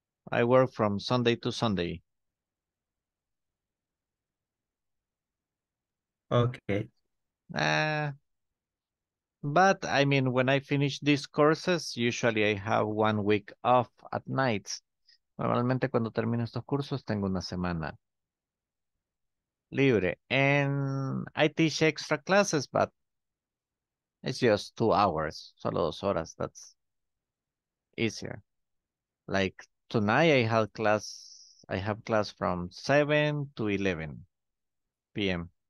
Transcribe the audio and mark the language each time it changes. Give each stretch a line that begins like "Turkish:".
English: I work from Sunday to Sunday. Okay. But I mean, when I finish these courses, usually I have 1 week off at night.
Spanish: Normalmente cuando termino estos cursos, tengo una semana libre.
English: And I teach extra classes, but it's just 2 hours,
Spanish: solo 2 horas.
English: That's easier. Like tonight, I have class from 7 to 11 p.m.